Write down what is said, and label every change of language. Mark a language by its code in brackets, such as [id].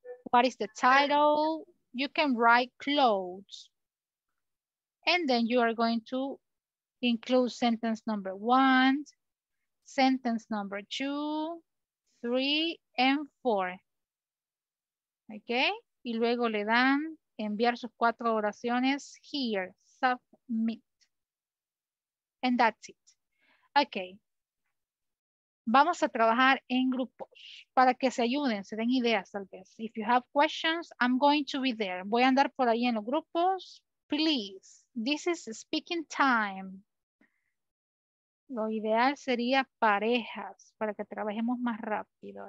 [en] What is the title? You can write clothes. And then you are going to include sentence number one, sentence number two, three, and four. Okay? [es] Y luego le dan enviar sus cuatro oraciones [en] here, submit. And that's it. [es] Okay. Vamos a trabajar en grupos para que se ayuden, se den ideas tal vez. [en] If you have questions, I'm going to be there. [es] Voy a andar por ahí en los grupos. [en] Please, this is speaking time. [es] Lo ideal sería parejas para que trabajemos más rápido.